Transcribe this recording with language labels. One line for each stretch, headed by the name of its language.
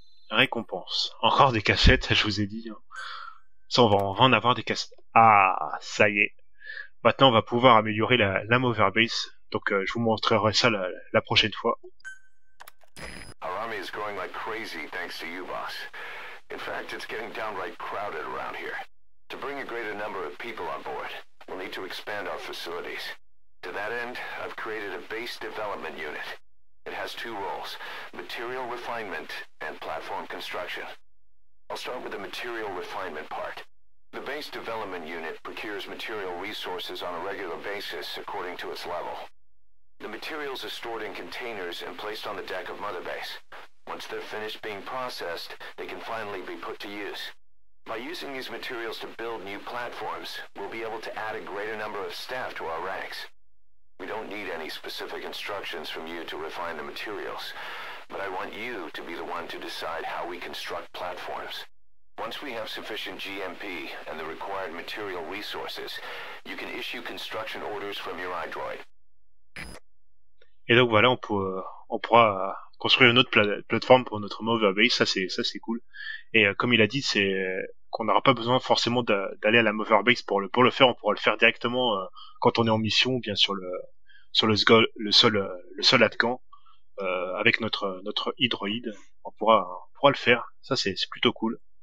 French: Récompense. Encore des cassettes, je vous ai dit. Ça, on va en avoir des cassettes. Ah, ça y est. Maintenant, on va pouvoir améliorer la Mother Base. Donc, je vous montrerai ça la prochaine fois.
English: Our army is growing like crazy thanks to you, boss. In fact, it's getting downright crowded around here. To bring a greater number of people on board, we'll need to expand our facilities. To that end, I've created a base development unit. It has two roles, material refinement and platform construction. I'll start with the material refinement part. The base development unit procures material resources on a regular basis according to its level. The materials are stored in containers and placed on the deck of Mother Base. Once they're finished being processed, they can finally be put to use. By using these materials to build new platforms, we'll be able to add a greater number of staff to our ranks. We don't need any specific instructions from you to refine the materials, but I want you to be the one to decide how we construct platforms. Once we have sufficient GMP and the required material resources, you can issue construction orders from your iDroid.
French: Et donc voilà, on pourra construire une autre plateforme pour notre Mother Base, ça c'est cool. Et comme il a dit, c'est qu'on n'aura pas besoin forcément d'aller à la Mother Base pour le faire, on pourra le faire directement quand on est en mission ou bien sur le sol Atkan avec notre hydroïde, on pourra le faire, ça c'est plutôt cool.